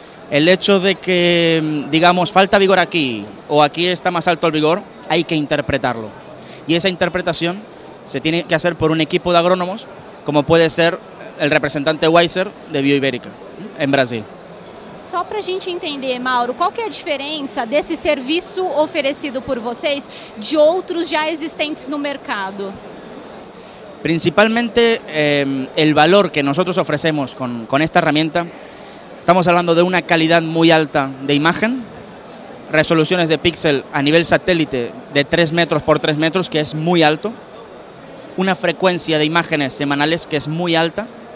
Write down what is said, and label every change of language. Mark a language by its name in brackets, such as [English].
[Spanish] El hecho de que, digamos, falta vigor aquí o aquí está más alto el vigor, hay que interpretarlo. Y esa interpretación se tiene que hacer por un equipo de agrónomos, como puede ser el representante Weiser de Bioibérica en Brasil. [Portuguese] Só para a gente entender, Mauro, qual que é a diferença desse serviço oferecido por vocês de outros já existentes no mercado? [Spanish] Principalmente, el valor que nosotros ofrecemos con esta herramienta, estamos hablando de una calidad muy alta de imagen, resoluciones de píxel a nivel satélite de 3 metros por 3 metros, que es muy alto, una frecuencia de imágenes semanales que es muy alta,